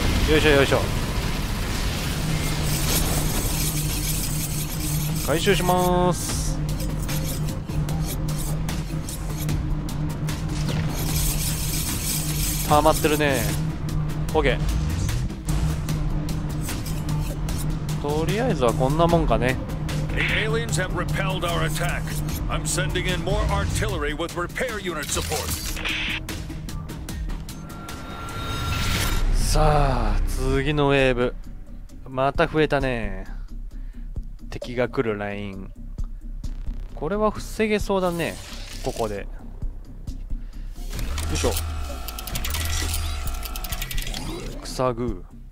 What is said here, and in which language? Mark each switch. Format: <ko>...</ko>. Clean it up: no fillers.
<ja>よいしょよいしょ、回収します。溜まってるね。OK、 とりあえずはこんなもんかね。</ja> <en>The aliens have repelled our attack. I'm sending in more artillery with repair unit support.</en> <ja>さあ次のウェーブまた増えたね。敵が来るライン、これは防げそうだね。ここでよいしょ、塞ぐ。</ja>